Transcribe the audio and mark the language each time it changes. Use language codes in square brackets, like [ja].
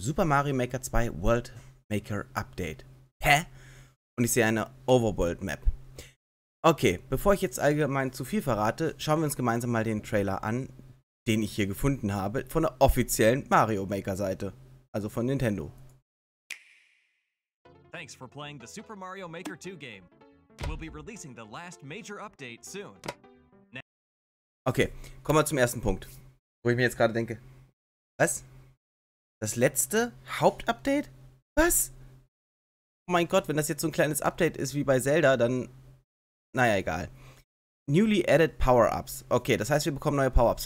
[de] Super Mario Maker 2 World Maker Update. Hä? Und ich sehe eine Overworld Map. Okay, bevor ich jetzt allgemein zu viel verrate, schauen wir uns gemeinsam mal den Trailer an, den ich hier gefunden habe, von der offiziellen Mario Maker Seite, also von Nintendo. [en] Thanks for playing the Super Mario Maker 2 game. We'll be releasing the last major update soon. [de] Okay, kommen wir zum ersten Punkt, wo ich mir jetzt gerade denke, was? Das letzte Hauptupdate? Was? Oh mein Gott, wenn das jetzt so ein kleines Update ist wie bei Zelda, dann... Naja, egal. [en] Newly added Power-Ups. [de] Okay, das heißt, wir bekommen neue Power-Ups.